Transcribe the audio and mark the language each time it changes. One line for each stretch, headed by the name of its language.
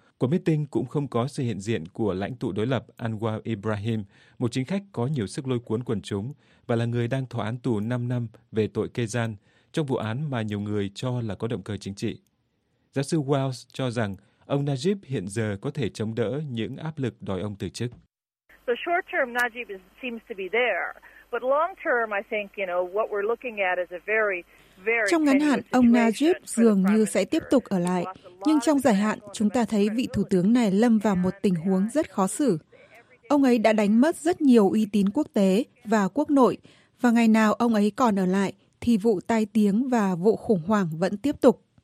Vietnamese: Cuộc meeting cũng không có sự hiện diện của lãnh tụ đối lập Anwar Ibrahim, một chính khách có nhiều sức lôi cuốn quần chúng và là người đang thọ án tù 5 năm về tội kê gian trong vụ án mà nhiều người cho là có động cơ chính trị. Giáo sư Wells cho rằng ông Najib hiện giờ có thể chống đỡ những áp lực đòi ông từ chức.
English: The short term Najib seems to be there, but long term I think, you know, what we're looking at is a very
Vietnamese: trong ngắn hạn, ông Najib dường như sẽ tiếp tục ở lại. Nhưng trong dài hạn, chúng ta thấy vị thủ tướng này lâm vào một tình huống rất khó xử. Ông ấy đã đánh mất rất nhiều uy tín quốc tế và quốc nội. Và ngày nào ông ấy còn ở lại, thì vụ tai tiếng và vụ khủng hoảng vẫn tiếp tục.